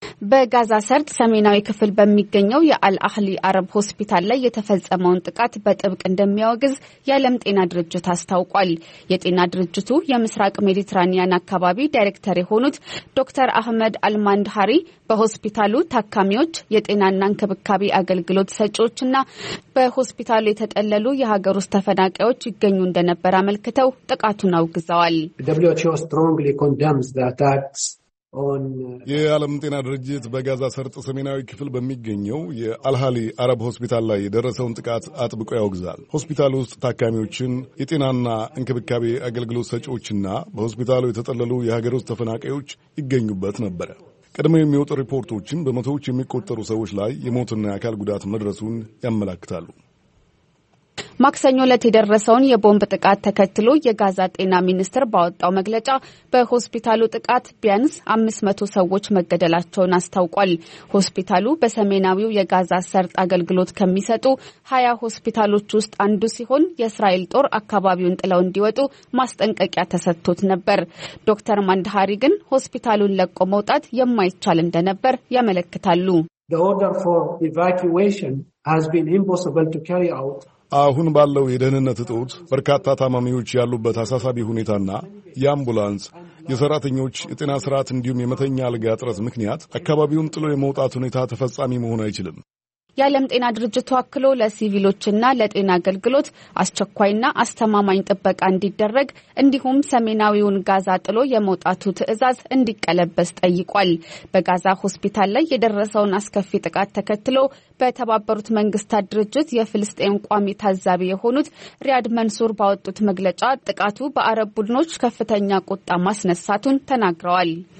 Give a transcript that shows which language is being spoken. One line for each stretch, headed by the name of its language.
Amharic: በጋዛ ሰርጥ ሰሜናዊ ክፍል በሚገኘው የአልአህሊ አረብ ሆስፒታል ላይ የተፈጸመውን ጥቃት በጥብቅ እንደሚያወግዝ የዓለም ጤና ድርጅት አስታውቋል። የጤና ድርጅቱ የምስራቅ ሜዲትራኒያን አካባቢ ዳይሬክተር የሆኑት ዶክተር አህመድ አልማንድሃሪ በሆስፒታሉ ታካሚዎች፣ የጤናና እንክብካቤ አገልግሎት ሰጪዎችና በሆስፒታሉ የተጠለሉ የሀገር ውስጥ ተፈናቃዮች ይገኙ እንደነበር አመልክተው ጥቃቱን አውግዘዋል።
English: WHO strongly condemns the attacks.
Amharic: የዓለም ጤና ድርጅት በጋዛ ሰርጥ ሰሜናዊ ክፍል በሚገኘው የአልሃሊ አረብ ሆስፒታል ላይ የደረሰውን ጥቃት አጥብቆ ያወግዛል። ሆስፒታሉ ውስጥ ታካሚዎችን፣ የጤናና እንክብካቤ አገልግሎት ሰጪዎችና በሆስፒታሉ የተጠለሉ የሀገር ውስጥ ተፈናቃዮች ይገኙበት ነበረ። ቀድሞ የሚወጡ ሪፖርቶችን በመቶዎች የሚቆጠሩ ሰዎች ላይ የሞትና የአካል ጉዳት መድረሱን ያመላክታሉ። ማክሰኞ ለት የደረሰውን የቦምብ ጥቃት ተከትሎ የጋዛ ጤና ሚኒስትር ባወጣው መግለጫ በሆስፒታሉ ጥቃት ቢያንስ 500 ሰዎች መገደላቸውን አስታውቋል። ሆስፒታሉ በሰሜናዊው የጋዛ ሰርጥ አገልግሎት ከሚሰጡ 20 ሆስፒታሎች ውስጥ አንዱ ሲሆን የእስራኤል ጦር አካባቢውን ጥለው እንዲወጡ ማስጠንቀቂያ ተሰጥቶት ነበር። ዶክተር ማንድሃሪ ግን ሆስፒታሉን ለቆ መውጣት የማይቻል እንደነበር ያመለክታሉ።
English: The order for evacuation has been impossible to carry out.
Amharic: አሁን ባለው የደህንነት እጦት በርካታ ታማሚዎች ያሉበት አሳሳቢ ሁኔታና የአምቡላንስ የሰራተኞች የጤና ስርዓት እንዲሁም የመተኛ አልጋ እጥረት ምክንያት አካባቢውን ጥሎ የመውጣት ሁኔታ ተፈጻሚ መሆን አይችልም። የዓለም ጤና ድርጅቱ አክሎ ለሲቪሎችና ለጤና አገልግሎት አስቸኳይና አስተማማኝ ጥበቃ እንዲደረግ እንዲሁም ሰሜናዊውን ጋዛ ጥሎ የመውጣቱ ትዕዛዝ እንዲቀለበስ ጠይቋል። በጋዛ ሆስፒታል ላይ የደረሰውን አስከፊ ጥቃት ተከትሎ በተባበሩት መንግስታት ድርጅት የፍልስጤም ቋሚ ታዛቢ የሆኑት ሪያድ መንሱር ባወጡት መግለጫ ጥቃቱ በአረብ ቡድኖች ከፍተኛ ቁጣ ማስነሳቱን ተናግረዋል።